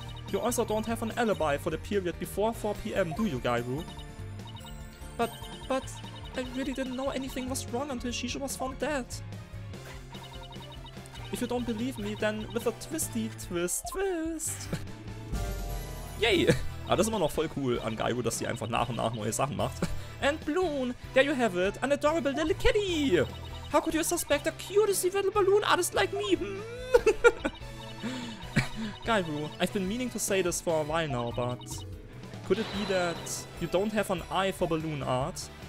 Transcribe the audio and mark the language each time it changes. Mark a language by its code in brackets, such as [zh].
[en] You also don't have an alibi for the period before 4 PM, do you, Gyru? But I really didn't know anything was wrong until Shisha was found dead. If you don't believe me, then with a twisty twist twist. Yay! [de] Ah, das ist immer noch voll cool an Gyru, dass sie einfach nach und nach neue Sachen macht. [en] And Bloon, there you have it, an adorable little kitty! How could you suspect a cutesy little balloon artist like me? Gyru, I've been meaning to say this for a while now, but... Could it be that you don't have an eye for balloon art?